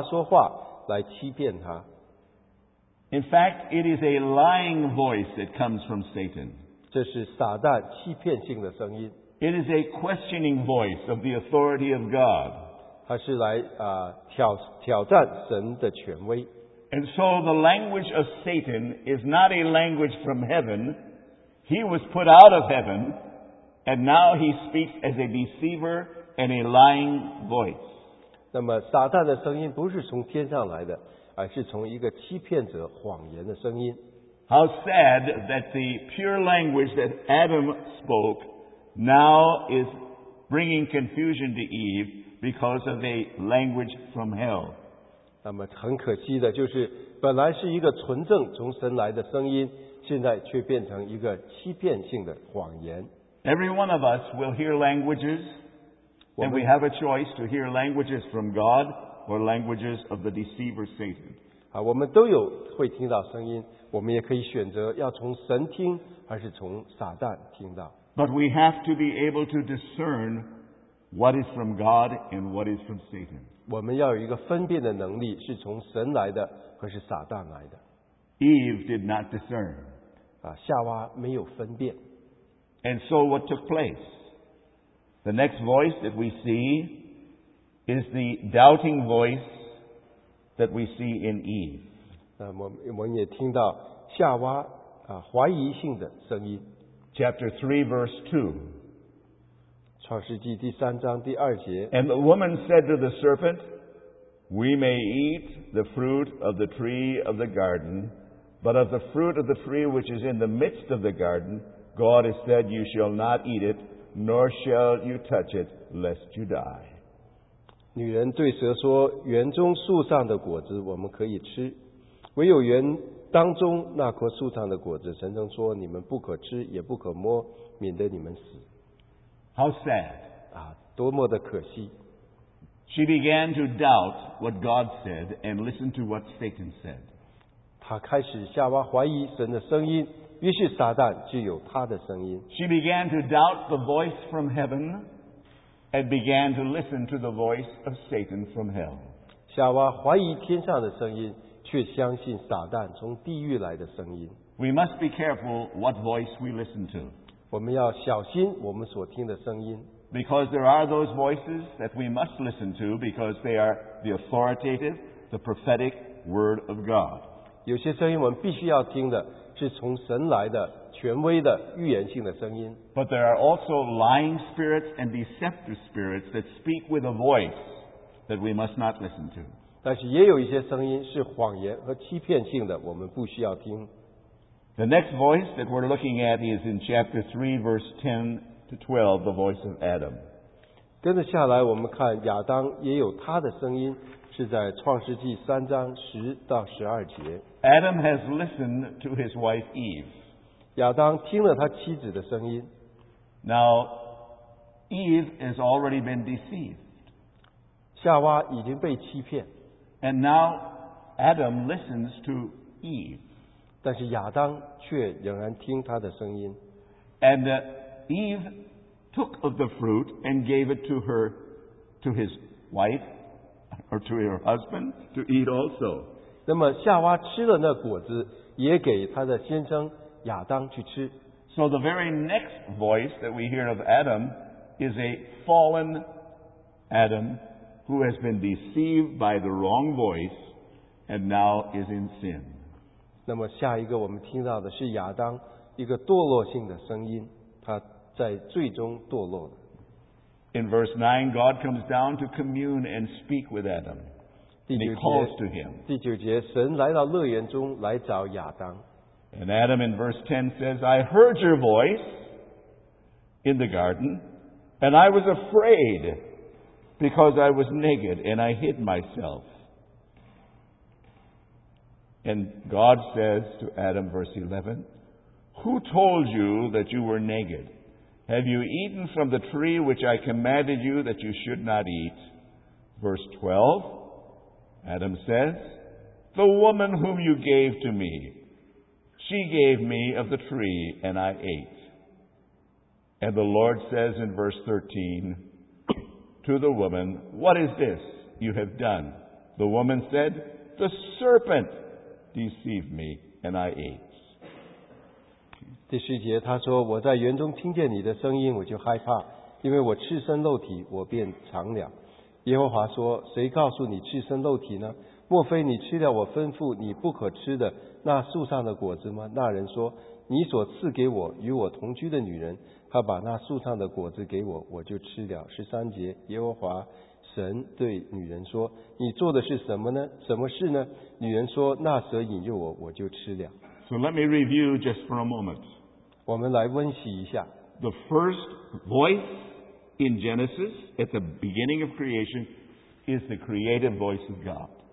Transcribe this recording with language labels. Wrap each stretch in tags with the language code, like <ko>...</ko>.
<zh>那么这个蛇对夏娃说话来欺骗她。</zh> <en>In fact, it is a lying voice that comes from Satan.</en> <zh>这是撒旦欺骗性的声音。</zh> <en>It is a questioning voice of the authority of God.</en> <zh>它是来挑战神的权威。</zh> <en>And so the language of Satan is not a language from heaven. He was put out of heaven, and now he speaks as a deceiver and a lying voice.</en> <zh>那么撒旦的声音不是从天上来的。 而是从一个欺骗者谎言的声音。</zh> <en>How sad that the pure language that Adam spoke now is bringing confusion to Eve because of a language from hell.</en> <zh>那么很可惜的就是本来是一个纯正从神来的声音现在却变成一个欺骗性的谎言。</zh> <en>Every one of us will hear languages, and we have a choice to hear languages from God or languages of the deceiver Satan.</en> <zh>啊，我们都有会听到声音，我们也可以选择要从神听还是从撒旦听到。</zh> <en>But we have to be able to discern what is from God and what is from Satan.</en> <zh>我们要有一个分辨的能力，是从神来的还是撒旦来的。</zh> <en>Eve did not discern.</en> <zh>啊，夏娃没有分辨。</zh> <en>And so what took place? The next voice that we see is the doubting voice that we see in Eve.</en> <zh>那么我们也听到夏娃啊怀疑性的声音。</zh> <en>Chapter 3 verse 2.</en> <zh>创世纪第三章第二节。</zh> <en>And the woman said to the serpent, We may eat the fruit of the tree of the garden, but of the fruit of the tree which is in the midst of the garden,God has said, you shall not eat it, nor shall you touch it, lest you die.</en> <zh>女人对蛇说，园中树上的果子我们可以吃，唯有园当中那棵树上的果子，神曾说，你们不可吃，也不可摸，免得你们死。</zh> <en>How sad.</en> <zh>啊，多么的可惜。</zh> <en>She began to doubt what God said and listen to what Satan said.</en> <zh>她开始夏娃怀疑神的声音。于是撒旦就有他的声音。</zh> <en>She began to doubt the voice from heaven and began to listen to the voice of Satan from hell.</en> <zh>夏娃怀疑天上的声音，却相信撒旦从地狱来的声音。</zh> <en>We must be careful what voice we listen to.</en> <zh>我们要小心我们所听的声音。</zh> <en>Because there are those voices that we must listen to because they are the authoritative, the prophetic word of God.</en> <zh>有些声音我们必须要听的。是从神来的权威的预言性的声音。</zh> <en>But there are also lying spirits and deceptive spirits that speak with a voice that we must not listen to.</en> <zh>但是也有一些声音是谎言和欺骗性的，我们不需要听。</zh> <en>The next voice that we're looking at is in chapter 3, verse 10 to 12, the voice of Adam.</en> <zh>跟着下来，我们看亚当也有他的声音。是在创世纪三章十到十二节。</zh> <en>Adam has listened to his wife Eve.</en> <zh>亚当听了他妻子的声音。</zh> <en>Now, Eve has already been deceived.</en> <zh>夏娃已经被欺骗。</zh> <en>And now, Adam listens to Eve.</en> <zh>但是亚当却仍然听他的声音。</zh> <en>And Eve took of the fruit and gave it to his wife. Or to her husband to eat also.</en> <zh>那么夏娃吃了那果子，也给她的先生亚当去吃。</zh> <en>So the very next voice that we hear of Adam is a fallen Adam who has been deceived by the wrong voice and now is in sin.</en> <zh>那么下一个我们听到的是亚当一个堕落性的声音，他在最终堕落了。</zh> <en>In verse 9, God comes down to commune and speak with Adam. And he calls to him.</en> <zh>第九节，神来到乐园中来找亚当。</zh> <en>And Adam in verse 10 says, I heard your voice in the garden, and I was afraid because I was naked, and I hid myself. And God says to Adam, verse 11, Who told you that you were naked? Have you eaten from the tree which I commanded you that you should not eat? Verse 12, Adam says, The woman whom you gave to me, she gave me of the tree, and I ate. And the Lord says in verse 13, to the woman, What is this you have done? The woman said, The serpent deceived me, and I ate.</en> <zh>第十节他说我在园中听见你的声音我就害怕因为我赤身露体我便藏了耶和华说谁告诉你赤身露体呢莫非你吃了我吩咐你不可吃的那树上的果子吗那人说你所赐给我与我同居的女人她把那树上的果子给我我就吃了十三节耶和华神对女人说你做的是什么呢什么事呢女人说那蛇引诱我我就吃了</zh> <en>So let me review just for a moment.</en> <zh>我们来温习一下。</zh> <en>The first voice in Genesis at the beginning of creation is the creative voice of God.</en>